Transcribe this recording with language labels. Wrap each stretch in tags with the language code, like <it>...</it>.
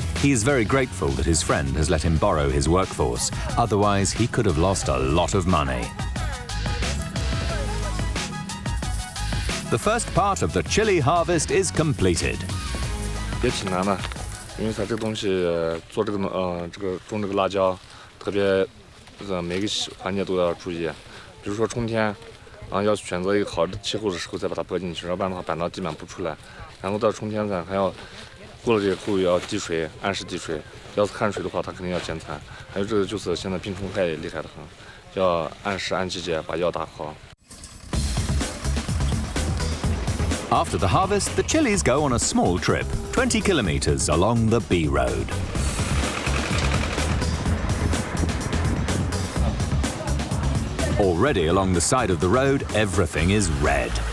<en>He is very grateful that his friend has let him borrow his workforce. Otherwise, he could have lost a lot of money. The first part of the chili harvest is completed. It's hard, because this thing, growing this 辣椒。</en> <zh>特别，每个环节都要注意，比如说春天，要选择一个好的气候的时候再把它播进去，要不然的话板到地板不出来。然后到春天呢，还要过了这个后要滴水，按时滴水。要是旱水的话，它肯定要减产。还有这个就是现在病虫害也厉害得很，要按时按季节把药打好。</zh> <en>After the harvest, the chilies go on a small trip, 20 kilometers along the B road. Already along the side of the road, everything is red.</en>